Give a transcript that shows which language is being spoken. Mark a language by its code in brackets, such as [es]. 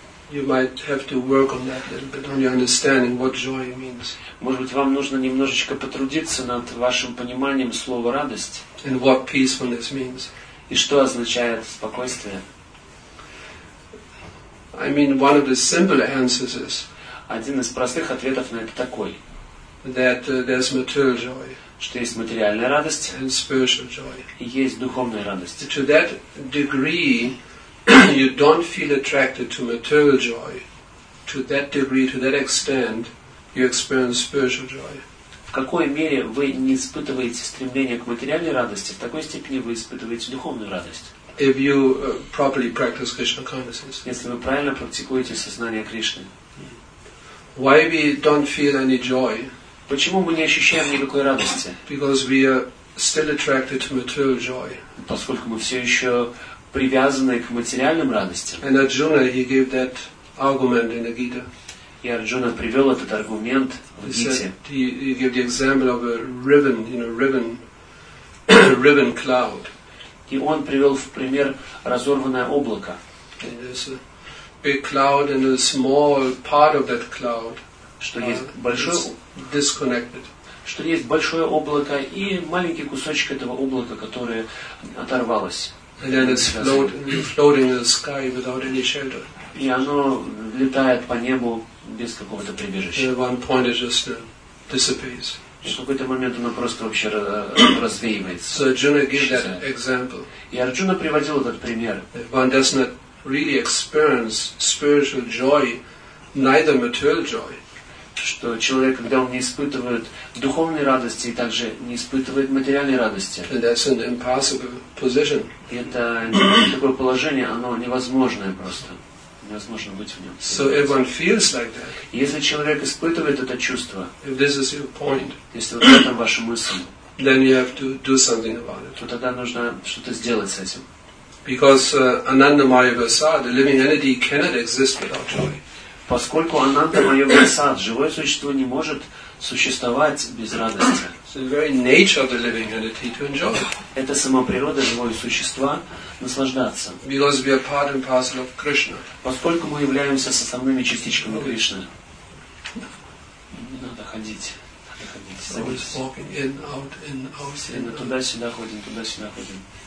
[en] You might have to work on that a little bit, on your understanding what joy means. [ru] Может быть, вам нужно немножечко потрудиться над вашим пониманием слова радость. [en] And what peacefulness means. [ru] И что означает спокойствие? [en] I mean, one of the simple answers is. [ru] Один из простых ответов на это такой. [en] That there's material joy. [ru] Что есть материальная радость. [en] And spiritual joy. [ru] И есть духовная радость. [en] To that degree. You don't feel attracted to material joy to that degree, to that extent, you experience spiritual joy. [ru] В какой мере вы не испытываете стремление к материальной радости, в такой степени вы испытываете духовную радость. [en] If you properly practice Krishna consciousness. [ru] Если вы правильно практикуете сознание Кришны. [en] Why we don't feel any joy? [ru] Почему мы не ощущаем никакой радости? [en] Because we are still attracted to material joy. [ru] Поскольку мы все еще привязанные к материальным радостям. [en] And Arjuna, he gave that argument in the Gita. [ru] И Арджуна привел этот аргумент в Гите. [en] He gave the example of a ribbon, you know, ribbon cloud. [ru] И он привел в пример разорванное облако. [en] And there's a big cloud and a small part of that cloud. [ru] Что есть большое? [en] Disconnected. [ru] Что есть большое облако и маленький кусочек этого облака, которое оторвалось. [en] And then it's floating in the sky without any shelter. [ru] И оно летает по небу без какого-то прибежища. [en] At one point it just disappears. [ru] что в какой-то момент оно просто вообще развеивается. [en] So Arjuna gave that example. [ru] И Арджуна приводил этот пример. [en] If one does not really experience spiritual joy, neither material joy. [ru] Что человек, когда он не испытывает духовной радости и также не испытывает материальной радости. [en] And that's an impossible position. [ru] Это такое положение, оно невозможное просто. Невозможно быть в нем. [en] So everyone feels like that. [ru] Если человек испытывает это чувство, [en] if this is your point, [ru] если вот в этом ваша мысль, [en] then you have to do something about it. [ru] То тогда нужно что-то сделать с этим. [en] Because Ananda Maya Vasad, the living entity, cannot exist without joy. [ru] Поскольку Ананда Майя Прасад, живое существо, не может существовать без радости. [en] So the very nature of the living entity to enjoy. [ru] Это сама природа живого существа наслаждаться. [en] Because we are part and parcel of Krishna. [ru] Поскольку мы являемся составными частичками Кришны. Не надо ходить. Туда-сюда ходим, туда-сюда ходим.